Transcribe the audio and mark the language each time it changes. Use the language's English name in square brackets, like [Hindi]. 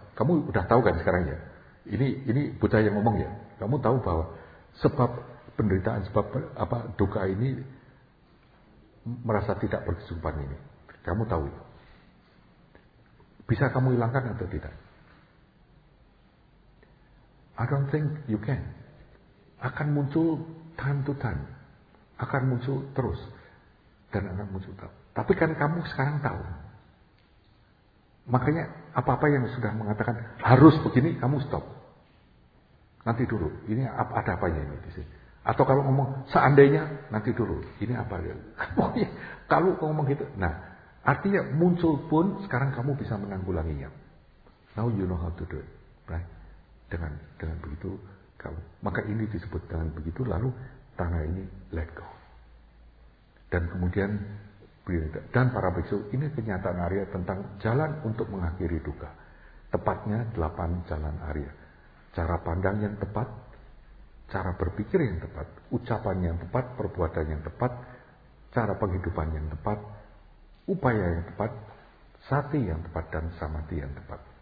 [Indonesian] Kamu udah tahu kan sekarang ya? Ini Buddha yang ngomong ya. Kamu tahu bahwa sebab penderitaan, sebab apa duka ini merasa tidak berkecukupan ini. Kamu tahu itu. Bisa kamu hilangkan atau tidak? [English] I don't think you can. [Indonesian] Akan muncul [English] time to time. [Indonesian] Akan muncul terus. Dan akan muncul terus. Tapi kan kamu sekarang tahu. Makanya apa-apa yang sudah mengatakan harus begini, kamu stop. Nanti dulu, ini ada apanya ini di sini. Atau kalau ngomong seandainya, nanti dulu, ini apa ya? Kalau ngomong gitu, nah artinya muncul pun sekarang kamu bisa menanggulanginya. [English] Now you know how to do it, right? [Indonesian] Dengan begitu kamu, maka ini disebut dengan begitu, lalu tanah ini [English] let go. [Indonesian] Dan kemudian dan para biksu, ini kenyataan Arya tentang jalan untuk mengakhiri duka. Tepatnya 8 jalan Arya. Cara pandang yang tepat, cara berpikir yang tepat, ucapan yang tepat, perbuatan yang tepat, cara penghidupan yang tepat, upaya yang tepat, sati yang tepat, dan samadhi yang tepat.